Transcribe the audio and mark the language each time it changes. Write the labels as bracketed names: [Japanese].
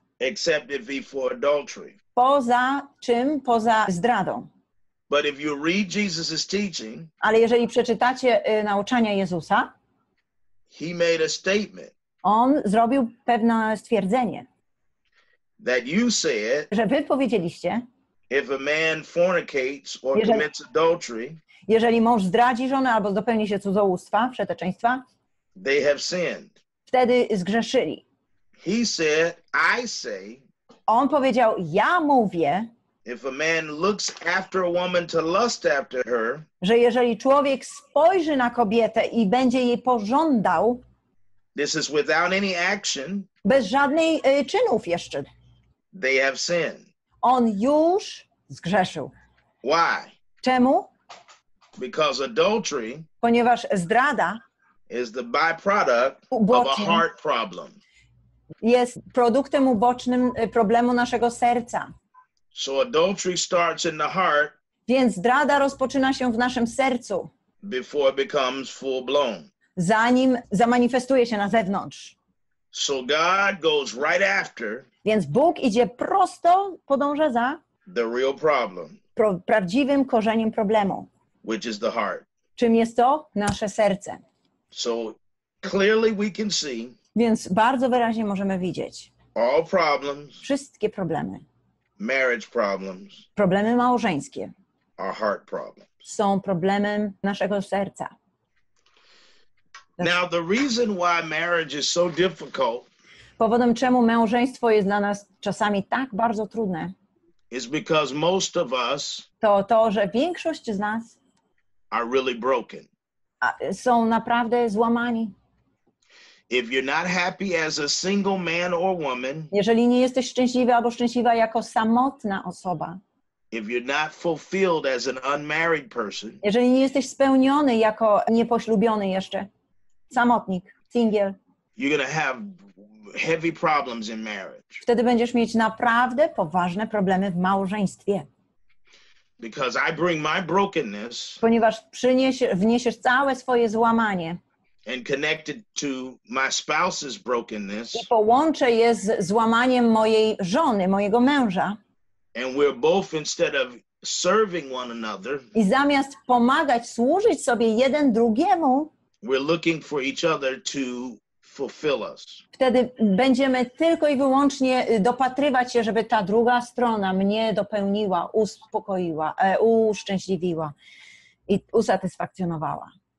[English] except if he for adultery. [Polish] Poza czym? Poza zdradą. [English] But if you read Jesus's teaching, [Polish] ale jeżeli przeczytacie nauczania Jezusa, [English] he made a statement, [Polish] on zrobił pewne stwierdzenie, [English] that you said, [Polish] że wy powiedzieliście, [English] if a man fornicates or commits adultery, [Polish] jeżeli mąż zdradzi żonę albo dopełni się cudzołóstwa, przeteczeństwa, [English] they have sinned. [Polish] Wtedy zgrzeszyli. [English] He said, I say, [Polish] on powiedział, ja mówię, [English] if a man looks after a woman to lust after her, [Polish] że jeżeli człowiek spojrzy na kobietę i będzie jej pożądał, [English] this is without any action, [Polish] bez żadnej czynów jeszcze, [English] they have sinned. [Polish] On już zgrzeszył. [English] Why? [Polish] Czemu? [English] Because adultery, [Polish] ponieważ zdrada, [English] is the byproduct of a heart problem. [Polish] Jest produktem ubocznym problemu naszego serca. [English] So adultery starts in the heart. [Polish] Więc zdrada rozpoczyna się w naszym sercu. [English] Before it becomes full blown. [Polish] Zanim zamanifestuje się na zewnątrz. [English] So God goes right after. [Polish] Więc Bóg idzie prosto, podąża za [English] the real problem. [Polish] Prawdziwym korzeniem problemu. [English] Which is the heart. [Polish] Czym jest to? Nasze serce. [English] So clearly we can see. [Polish] Więc bardzo wyraźnie możemy widzieć. [English] All problems. [Polish] Wszystkie problemy. [English] Marriage problems. [Polish] Problemy małżeńskie. [English] Are heart problems. [Polish] Są problemem naszego serca. [English] Now the reason why marriage is so difficult. [Polish] Powodem czemu małżeństwo jest dla nas czasami tak bardzo trudne. [English] Is because most of us. [Polish] To, że większość z nas. [English] Are really broken. [Polish] Są naprawdę złamani. [English] If you're not happy as a single man or woman. [Polish] Jeżeli nie jesteś szczęśliwy albo szczęśliwa jako samotna osoba. [English] If you're not fulfilled as an unmarried person. [Polish] Jeżeli nie jesteś spełniony jako nieposlubiony jeszcze. Samotnik, single. [English] You're gonna have heavy problems in marriage. [Polish] Wtedy będziesz mieć naprawdę poważne problemy w małżeństwie. [English] Because I bring my brokenness. [Polish] Ponieważ wniesiesz całe swoje złamanie. [English] And connected to my spouse's brokenness. [Polish] I połączę je z złamaniem mojej żony, mojego męża. [English] And we're both instead of serving one another. [Polish] I zamiast pomagać, służyć sobie jeden drugiemu. [English] We're looking for each other to fulfill us. [Polish] Wtedy będziemy tylko i wyłącznie dopatrywać się, żeby ta druga strona mnie dopełniła, uspokoiła, uszczęśliwiła i usatysfakcjonowała.